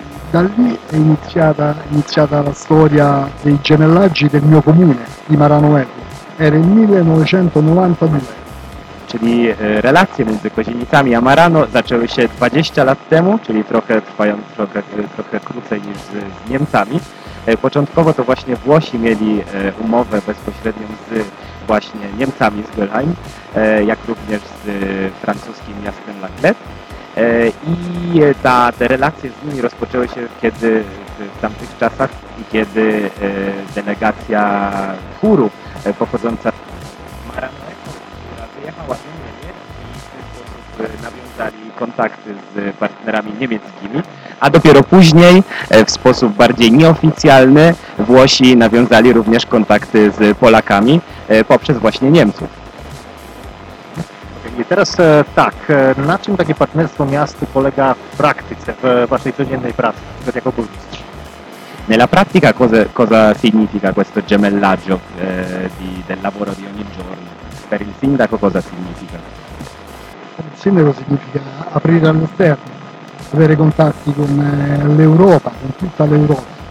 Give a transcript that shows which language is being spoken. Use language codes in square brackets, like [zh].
[it] Da lì è iniziata la storia dei gemellaggi del mio comune di Marano Equo. Era il 1992. [pl] Czyli relacje między Kozienicami a Marano zaczęły się 20 lat temu, czyli trochę krócej niż z Niemcami. Początkowo to właśnie Włosi mieli umowę bezpośrednią z właśnie Niemcami z Golheim, jak również z francuskim miastem La Clette. I te relacje z nimi rozpoczęły się w tamtych czasach, kiedy delegacja chóru pochodząca z Marano Equo, która wyjechała do Niemiec, w ten sposób nawiązali kontakty z partnerami niemieckimi, a dopiero później w sposób bardziej nieoficjalny Włosi nawiązali również kontakty z Polakami poprzez właśnie Niemców. I teraz tak, na czym takie partnerstwo miast polega w praktyce, w waszej codziennej pracy, nawet jako burmistrz? [it] Nella pratica cosa significa questo gemellaggio del lavoro di ogni giorno? Per il sindaco cosa significa? Per il sindaco significa aprire all'esterno, avere contatti con l'Europa, con tutta l'Europa.